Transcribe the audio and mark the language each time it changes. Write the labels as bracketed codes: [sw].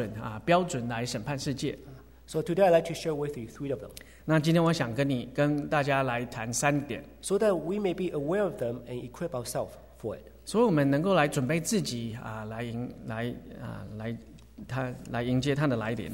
[zh] 那主耶稣也告诉我们，他再来的时候，他用很多的这些标准来审判世界。 [en] So today I'd like to share with you three of them. [zh] 那今天我想跟大家来谈三点。 [en] So that we may be aware of them and equip ourselves for it. [zh] 所以我们能够来准备自己来迎接他的来临。